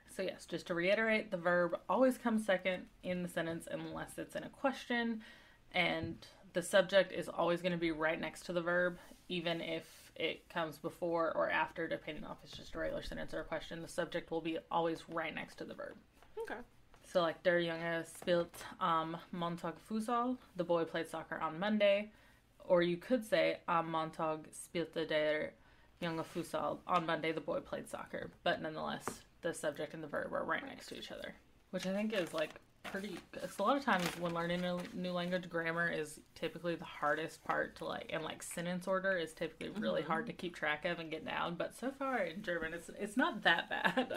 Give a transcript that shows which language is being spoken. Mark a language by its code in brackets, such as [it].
[en] So yes, just to reiterate, the verb always comes second in the sentence unless it's in a question, and the subject is always going to be right next to the verb, even if it comes before or after, depending on if it's just a regular sentence or a question. The subject will be always right next to the verb. Okay. So, like, [de] der Junge spielt am Montag Fußball. [en] The boy played soccer on Monday. Or you could say, [de] am Montag spielte der Junge Fußball. [en] On Monday, the boy played soccer. But nonetheless, the subject and the verb are right next to each other. Which I think is, like, pretty... Cause a lot of times when learning a new language, grammar is typically the hardest part to like, and like sentence order is typically really hard to keep track of and get down, but so far in German it's not that bad.